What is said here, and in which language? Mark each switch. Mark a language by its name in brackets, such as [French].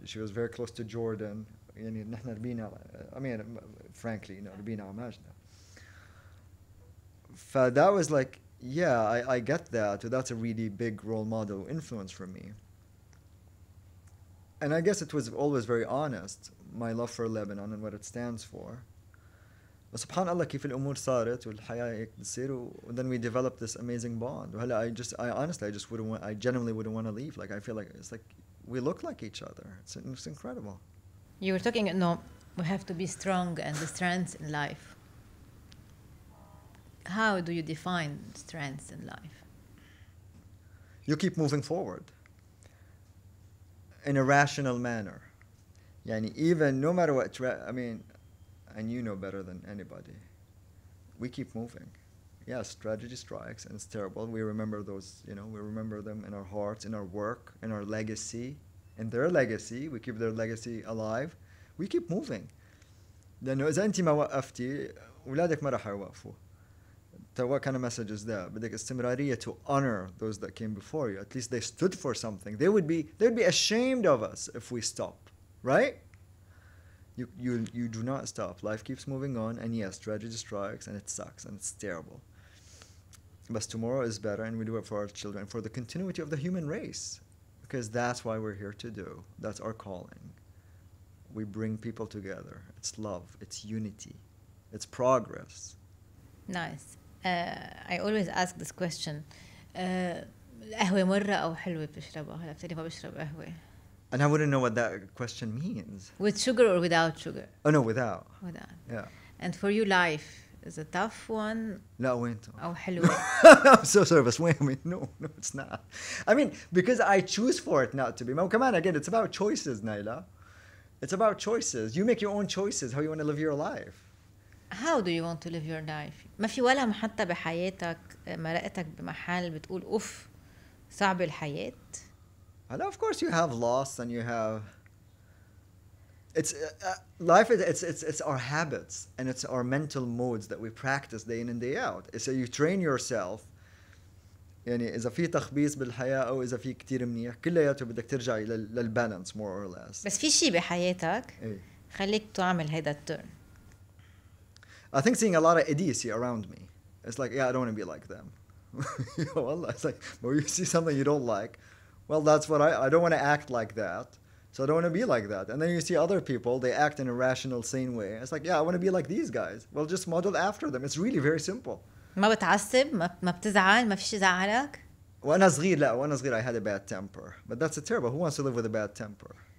[English] She was very close to Jordan. [Arabic] يعني نحن ربينا, [English] I mean, frankly, you know, [Arabic] ربينا عماجنا. [English] فthat was like, yeah, I get that. That's a really big role model influence for me. And I guess it was always very honest, my love for Lebanon and what it stands for. [Arabic] سبحان الله كيف الأمور صارت والحياة هيك تصير [English] and then we developed this amazing bond. وهلا I genuinely wouldn't want to leave. Like, I feel like it's like we look like each other. It's incredible. You were talking, no, we have to be strong and the strength in life. How do you define strength in life? You keep moving forward in a rational manner. يعني even no matter what, I mean, and you know better than anybody, we keep moving. Yeah, strategy strikes and it's terrible. We remember those, you know, we remember them in our hearts, in our work, in our legacy. And their legacy, we keep their legacy alive. We keep moving. [Arabic] لأنه إذا أنت ما وقفتي أولادك ما راح يوقفوا. [English] What kind of message is that? But the استمرارية to honor those that came before you. At least they stood for something. They would be ashamed of us if we stop, right? You do not stop. Life keeps moving on. And yes, tragedy strikes and it sucks and it's terrible. But tomorrow is better, and we do it for our children, for the continuity of the human race. Because that's why we're here to do. That's our calling. We bring people together. It's love. It's unity. It's progress. Nice. I always ask this question. [Arabic] القهوة مرة أو حلوة بتشربها؟ هلا بتعرفي ما بشرب قهوة. [English] And I wouldn't know what that question means. With sugar or without sugar? Oh no, without. Without. Yeah. And for you, life is a tough one. لا وين تو. [Arabic] أو حلوة. [English] I'm so sorry, but wait, no, it's not. I mean, because I choose for it not to be. Well, come on, again, it's about choices, Nayla. It's about choices. You make your own choices how you want to live your life. How do you want to live your life? [Arabic] ما في ولا محطة بحياتك مرقتك بمحل بتقول أوف صعب الحياة. [English] And of course you have loss and you have life is it's our habits and it's our mental modes that we practice day in and day out. So you train yourself. [Arabic] يعني إذا في تخبيص بالحياة أو إذا في كتير منيح كلياته بدك ترجع للبالانس [English] more or less. [Arabic] بس في شيء بحياتك خليك تعمل هذا التيرن. [English] I think seeing a lot of idiocy around me, it's like, yeah, I don't want to be like them. والله, it's like, but when you see something you don't like, well, that's what I don't want to act like that, so I don't want to be like that. And then you see other people, they act in a rational, sane way. It's like, yeah, I want to be like these guys. Well, just model after them. It's really very simple. [Arabic] ما بتعصب؟ ما بتزعل؟ ما في شيء زعلك؟ وأنا صغير, لا, وأنا صغير, [English] I had a bad temper. But that's terrible. Who wants to live with a bad temper?